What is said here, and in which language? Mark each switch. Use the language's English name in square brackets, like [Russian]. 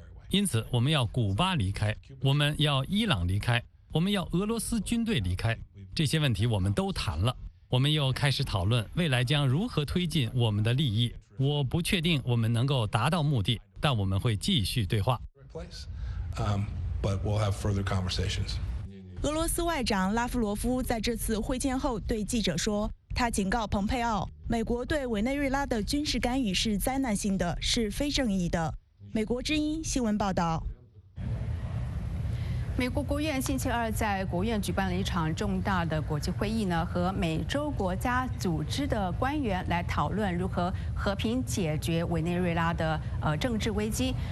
[Chinese] 因此我们要古巴离开，我们要伊朗离开，我们要俄罗斯军队离开，这些问题我们都谈了。我们又开始讨论未来将如何推进我们的利益，我不确定我们能够达到目的，但我们会继续对话。 [English] But we'll have further conversations. [Chinese] 俄罗斯外长拉夫罗夫在这次会见后对记者说，他警告蓬佩奥，美国对委内瑞拉的军事干预是灾难性的，是非正义的。美国之音新闻报道。美国国务院星期二在国务院举办了一场重大的国际会议呢，和美洲国家组织的官员来讨论如何和平解决委内瑞拉的政治危机。